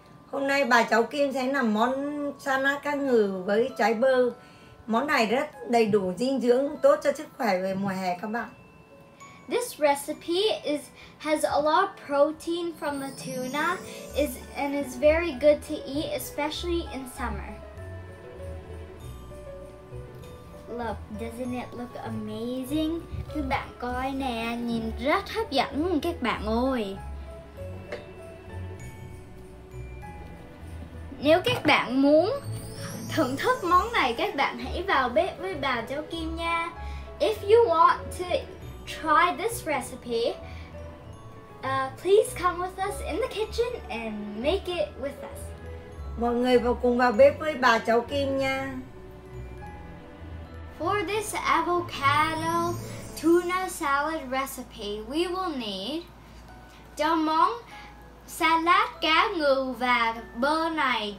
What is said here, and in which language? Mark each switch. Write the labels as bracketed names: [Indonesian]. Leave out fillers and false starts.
[Vietnamese] Hôm nay bà cháu Kim sẽ làm món sana cá ngừ với trái bơ. Món này rất đầy đủ dinh dưỡng, tốt cho sức khỏe về mùa hè các bạn. [English] This recipe has a lot of protein from the tuna is very good to eat, especially in summer. Look, doesn't it look amazing? [Vietnamese] Các bạn coi nè, nhìn rất hấp dẫn các bạn ơi. Nếu các bạn muốn thưởng thức món này, các bạn hãy vào bếp với bà cháu Kim nha. [English] If you want to try this recipe, please come with us in the kitchen and make it with us. [Vietnamese] Mọi người vào cùng vào bếp với bà cháu Kim nha. [English] For this avocado tuna salad recipe, we will need [Vietnamese] đậu mắm, salad cá ngừ và bơ này.